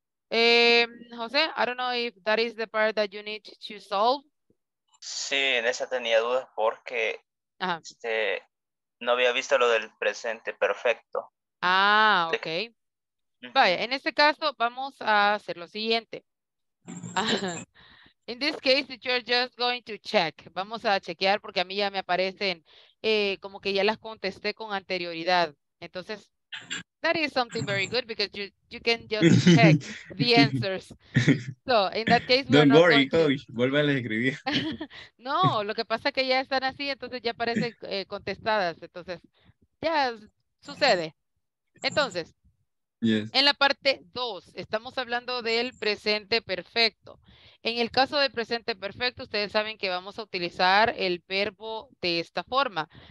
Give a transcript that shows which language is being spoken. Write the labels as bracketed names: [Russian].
[English] Jose, I don't know if that is the part that you need to solve. [Spanish] Sí, en esa tenía dudas porque no había visto lo del presente perfecto. Ah, ok. Vaya, en este caso vamos a hacer lo siguiente. [English] In this case, you're just going to check. [Spanish] Vamos a chequear porque a mí ya me aparecen como que ya las contesté con anterioridad. [English] Entonces, that is something very good because you can just check the answers. So, in that case, don't worry, coach. [Spanish] Vuelve a escribir. No, lo que pasa es que ya están así, entonces ya aparecen contestadas. Entonces, ya sucede. Entonces, yes, en la parte 2, estamos hablando del presente perfecto. En el caso de presente perfecto, ustedes saben que vamos a utilizar el verbo de esta forma.